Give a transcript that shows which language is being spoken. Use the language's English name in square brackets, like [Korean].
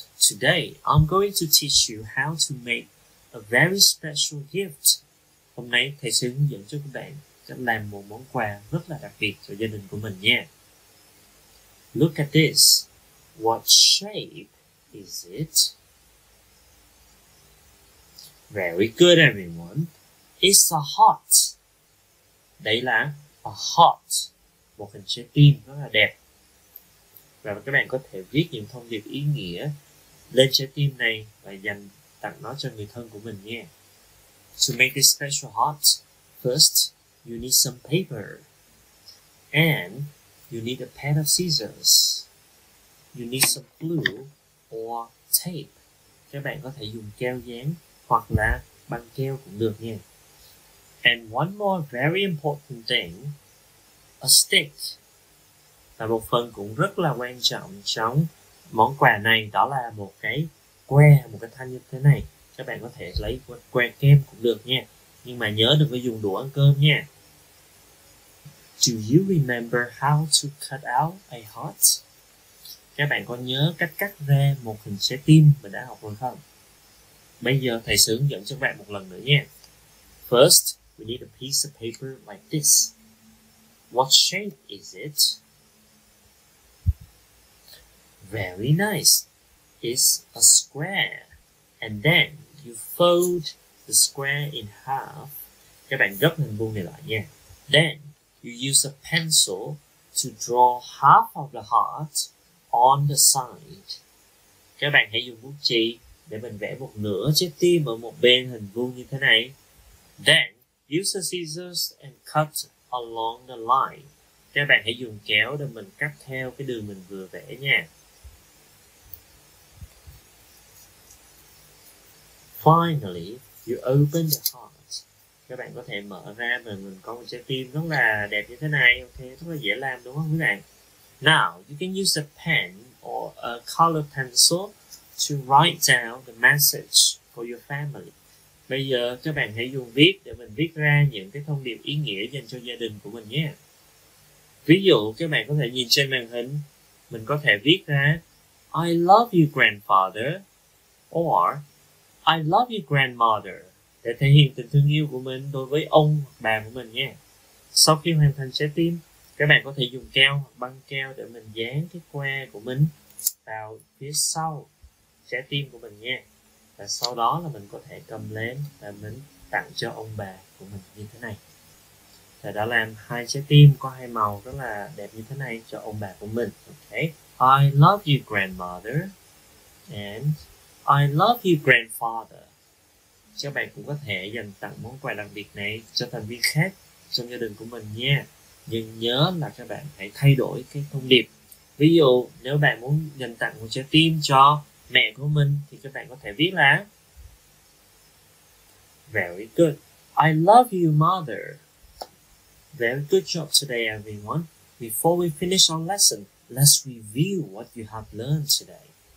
[English] Today, I'm going to teach you how to make a very special gift. [Vietnamese] Hôm nay, thầy sẽ hướng dẫn cho các bạn cách làm một món quà rất là đặc biệt cho gia đình của mình nha. [English] Look at this. What shape is it? Very good, everyone. It's a heart. [Vietnamese] Đây là [English] a heart. [Vietnamese] Một hình trái tim rất là đẹp. Và các bạn có thể viết những thông điệp ý nghĩa lên trái tim này và dành tặng nó cho người thân của mình nha. [English] To make this special heart, first, you need some paper. And you need a pair of scissors. You need some glue or tape. [Vietnamese] Các bạn có thể dùng keo dán hoặc là băng keo cũng được nha. [English] And one more very important thing, a state. [Vietnamese] Và một phần cũng rất là quan trọng trong món quà này, đó là một cái que, một cái thanh như thế này. Các bạn có thể lấy que kem cũng được nha, nhưng mà nhớ đừng có dùng đũa ăn cơm nha. [English] Do you remember how to cut out a heart? [Vietnamese] Các bạn có nhớ cách cắt ra một hình trái tim mình đã học rồi không? Bây giờ thầy sẽ hướng dẫn cho các bạn một lần nữa nha. [English] First, we need a piece of paper like this. What shape is it? Very nice. It's a square. And then you fold the square in half. [Vietnamese] Các bạn gấp hình vuông này lại nha. [English] Then you use a pencil to draw half of the heart on the side. [Vietnamese] Các bạn hãy dùng bút chì để mình vẽ một nửa trái tim ở một bên hình vuông như thế này. [English] Then use the scissors and cut along the line. [Vietnamese] Các bạn hãy dùng kéo để mình cắt theo cái đường mình vừa vẽ nha. [English] Finally, you open the heart. [Vietnamese] Các bạn có thể mở ra mình có một trái tim rất là đẹp như thế này, ok, rất là dễ làm đúng không các bạn? [English] Now, you can use a pen or a color pencil to write down the message for your family. [Vietnamese] Bây giờ các bạn hãy dùng viết để mình viết ra những cái thông điệp ý nghĩa dành cho gia đình của mình nhé. Ví dụ, các bạn có thể nhìn trên màn hình, mình có thể viết ra [English] I love you grandfather, or I love you grandmother, [Vietnamese] để thể hiện tình thương yêu của mình đối với ông hoặc bà của mình nha. Sau khi hoàn thành trái tim, các bạn có thể dùng keo hoặc băng keo để mình dán cái que của mình vào phía sau trái tim của mình nha. Và sau đó là mình có thể cầm lên và mình tặng cho ông bà của mình như thế này. Thầy đã làm hai trái tim có hai màu rất là đẹp như thế này cho ông bà của mình. [English] Okay. I love you grandmother and I love you grandfather. [Vietnamese] Các bạn cũng có thể dành tặng món quà đặc biệt này cho thành viên khác trong gia đình của mình nha. Nhưng nhớ là các bạn hãy thay đổi cái thông điệp. Ví dụ, nếu bạn muốn dành tặng một trái tim cho mẹ của mình thì các bạn có thể viết là [English] Very good. I love you, mother. Very good job today, everyone. Before we finish our lesson, let's review what you have learned today.